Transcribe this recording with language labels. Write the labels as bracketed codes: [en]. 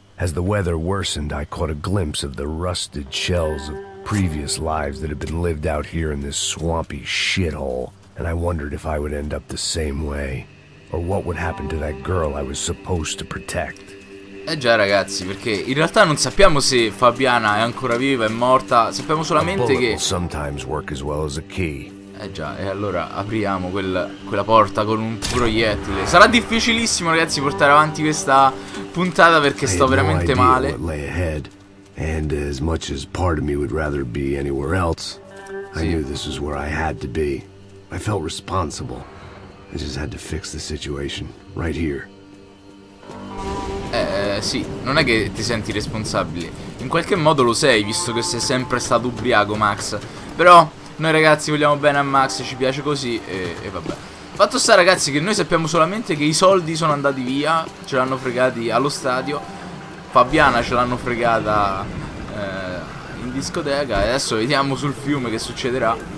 [en] As the weather worsened, I caught a glimpse of the rusted shells of previous lives that had been lived out here in this swampy shithole, and I wondered if I would end up the same way, or what would happen to that girl I was supposed to protect. [it] Eh già ragazzi, perché in realtà non sappiamo se Fabiana è ancora viva, è morta, sappiamo solamente che... [en] A bullet sometimes work as well as a key. [it] Eh già, e allora apriamo quella porta con un proiettile. Sarà difficilissimo, ragazzi, portare avanti questa puntata perché sto veramente male. [en] And as much as part of me would rather be anywhere else, I knew this was where I had to be. I felt responsible. I just had to fix the situation right here. [it] Sì, non è che ti senti responsabile. In qualche modo lo sei, visto che sei sempre stato ubriaco, Max. Però noi ragazzi vogliamo bene a Max, ci piace così e vabbè. Fatto sta ragazzi che noi sappiamo solamente che i soldi sono andati via, ce l'hanno fregati allo stadio, Fabiana ce l'hanno fregata in discoteca e adesso vediamo sul fiume che succederà.